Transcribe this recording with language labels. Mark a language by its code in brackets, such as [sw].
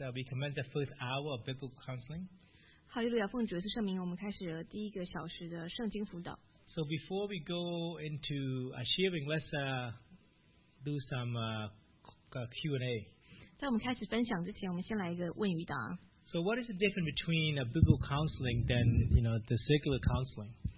[en] We commence the first hour of biblical counseling. [zh] Hallelujah, 奉主耶稣圣名, 我们开始第一个小时的圣经辅导。 [en] So before we go into sharing, let's do some Q&A. [zh] 在我们开始分享之前, 我们先来一个问与答。 [en] So what is the difference between a biblical counseling than you know the secular counseling?